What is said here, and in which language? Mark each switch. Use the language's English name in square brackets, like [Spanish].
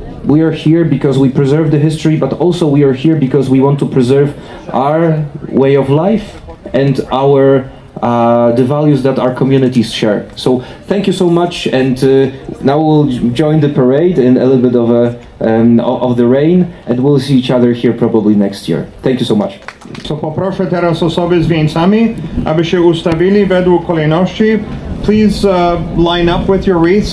[English] We are here because we preserve the history, but also we are here because we want to preserve our way of life and our the values that our communities share. So thank you so much, and now we'll join the parade in a little bit of the rain, and we'll see each other here probably next year. Thank you so much. [Polish] So poproszę teraz osoby z wieńcami, aby się ustawili według kolejności. [English] Please line up with your wreaths.